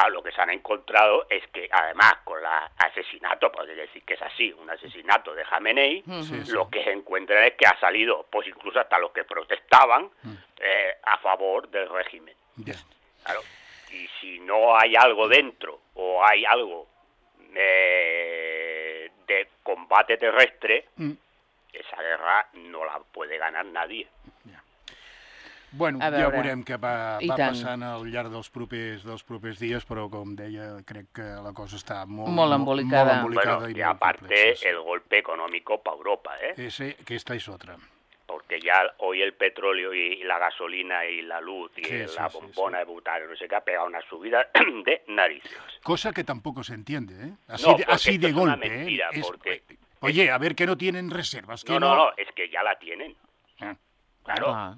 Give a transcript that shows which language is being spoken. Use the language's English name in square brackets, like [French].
[Spanish] Lo que se han encontrado es que, además, con el asesinato, podría decir que es así, un asesinato de Jamenei, lo que se encuentra es que ha salido, pues incluso hasta los que protestaban, a favor del régimen. Yeah. Claro. Y si no hay algo dentro, o hay algo de combate terrestre, esa guerra no la puede ganar nadie. [Catalan] Bueno, ja veurem què va passant al llarg dels propers dies, però com deia, crec que la cosa està molt embolicada. Molt embolicada, bueno, i a part [Spanish] el golpe [Catalan] econòmic per Europa, Ese, aquesta és otra. [Spanish] Porque ya hoy el petróleo y la gasolina y la luz y la bombona de butano, no sé qué, ha pegado una subida de narices. Cosa que tampoco se entiende, Así, no, así de golpe, es una mentira, porque... Oye, a ver, que no tienen reservas, que no, es que ya la tienen. Claro,